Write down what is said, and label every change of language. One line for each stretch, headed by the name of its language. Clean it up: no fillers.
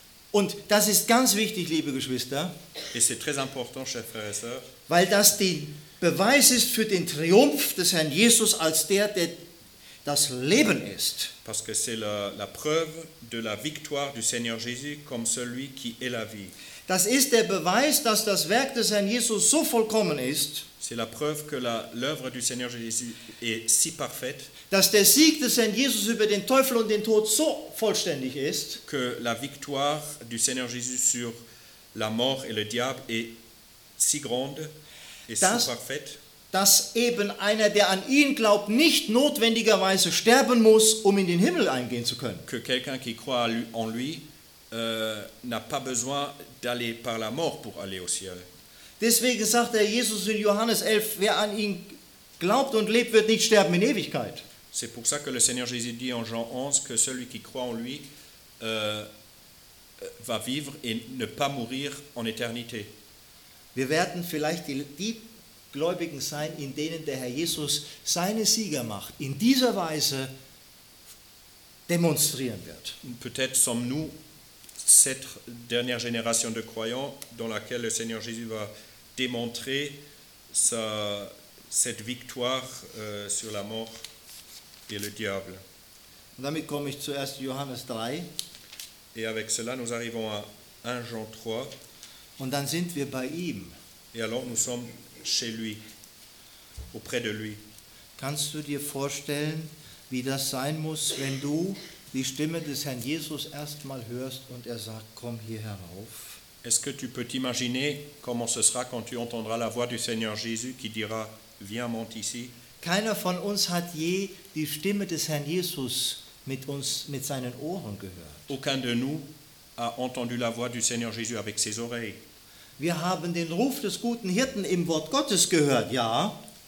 German: Und das ist ganz wichtig, liebe Geschwister.
French: Et c'est très important, chers frères et sœurs.
German: Weil das der Beweis ist für den Triumph des Herrn Jesus als der, der das Leben ist.
French: Parce que c'est la preuve de la victoire du Seigneur Jésus comme celui qui est la vie.
German: Das ist der Beweis, dass das Werk des Herrn Jesus so vollkommen ist.
French: C'est la preuve que l'œuvre du Seigneur Jésus est si parfaite.
German: Dass der Sieg des Herrn Jesus über den Teufel und den Tod so vollständig ist.
French: Que la victoire du Seigneur Jésus sur la mort et le diable est si grande et si parfaite.
German: Dass eben einer, der an ihn glaubt, nicht notwendigerweise sterben muss, um in den Himmel eingehen zu können.
French: Que quelqu'un qui croit en lui n'a pas besoin d'aller par la mort pour aller au ciel.
German: Deswegen sagt der Jesus in Johannes 11, wer an ihn glaubt und lebt, wird nicht sterben in Ewigkeit.
French: C'est pour ça que le Seigneur Jésus dit en Jean 11 que celui qui croit en lui va vivre et ne pas mourir en éternité.
German: Wir werden vielleicht die Gläubigen sein, in denen der Herr Jesus seine Siegermacht in dieser Weise demonstrieren wird.
French: Peut-être sommes-nous cette dernière génération de croyants dans laquelle le Seigneur Jésus va démontrer cette victoire sur la mort et le diable.
German: Und damit komme ich zuerst Johannes 3.
French: Et avec cela, nous arrivons à 1 Jean 3.
German: Und dann sind wir bei ihm.
French: Et alors nous sommes chez lui, auprès de lui.
German: Kannst du dir vorstellen, wie das sein muss, wenn du die Stimme des Herrn Jesus erstmal hörst und er sagt, komm hier herauf?
French: Est-ce que tu peux t'imaginer comment ce sera quand tu entendras la voix du Seigneur Jésus qui dira, viens, monte ici?
German: Keiner von uns hat je die Stimme des Herrn Jesus mit uns, mit seinen Ohren gehört.
French: Aucun de nous a entendu la voix du Seigneur Jésus avec ses oreilles.
German: Wir haben den Ruf des guten Hirten im Wort Gottes gehört, ja.